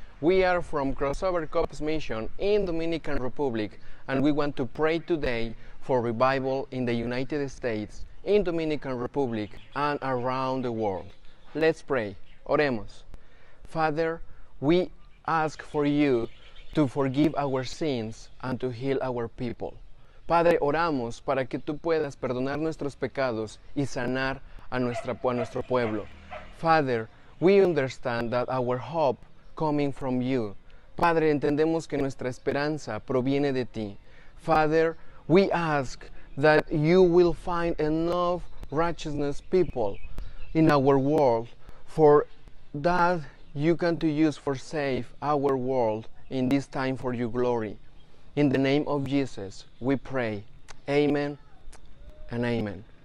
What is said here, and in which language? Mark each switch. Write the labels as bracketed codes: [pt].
[en] We are from Crossover Cops Mission in Dominican Republic and we want to pray today for revival in the United States, in Dominican Republic and around the world. Let's pray. [es] Oremos. [en] Father, we ask for you to forgive our sins and to heal our people. [es] Padre, oramos para que tú puedas perdonar nuestros pecados y sanar a nuestro pueblo. [en] Father, we understand that our hope coming from you. [es] Padre, entendemos que nuestra esperanza proviene de ti. [en] Father, we ask that you will find enough righteousness people in our world for that you can to use for save our world in this time for your glory. In the name of Jesus, we pray. Amen and amen.